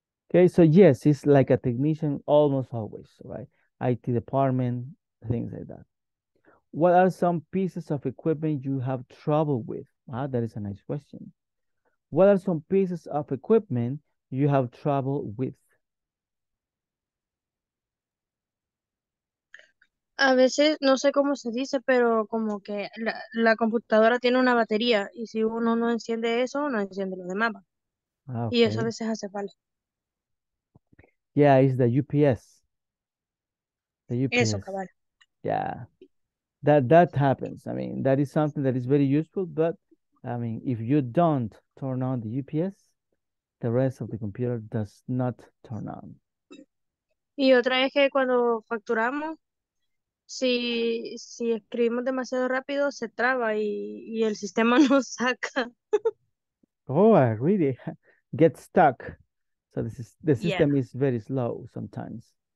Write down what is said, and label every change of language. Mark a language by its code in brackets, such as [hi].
[en] Okay, so yes, it's like a technician almost always, right? IT department, things like that. What are some pieces of equipment you have trouble with? Ah, that is a nice question. What are some pieces of equipment you have trouble with? [es] A veces, no sé cómo se dice, pero como que la computadora tiene una batería y si uno no enciende eso, no enciende lo demás. [en] Ah, okay. [es] Y eso a veces hace falta. [en] Yeah, it's the UPS. The UPS. [es] Eso, cabal. [en] Yeah. That happens. I mean, that is something that is very useful, but I mean, if you don't turn on the UPS, the rest of the computer does not turn on. [es] Y otra es que cuando facturamos, si escribimos demasiado rápido, se traba y el sistema nos saca. [en] Oh, I really get stuck. So the system is very slow sometimes.